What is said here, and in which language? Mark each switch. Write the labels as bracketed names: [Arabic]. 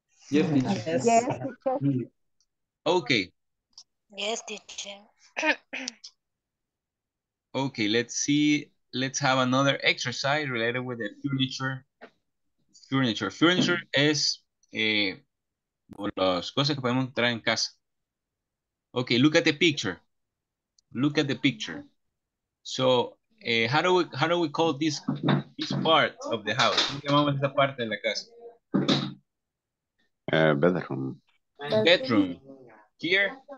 [English] Yes, teacher. Yes. Okay. Yes, teacher. Okay, let's see. Let's have another exercise related with the furniture. Furniture is [Spanish] las cosas que podemos traer en casa. [English] Okay, look at the picture. Look at the picture. So, how do we call this part of the house? [Spanish] ¿Cómo llamamos esta parte de la casa? [English] Bedroom. Bedroom. Here.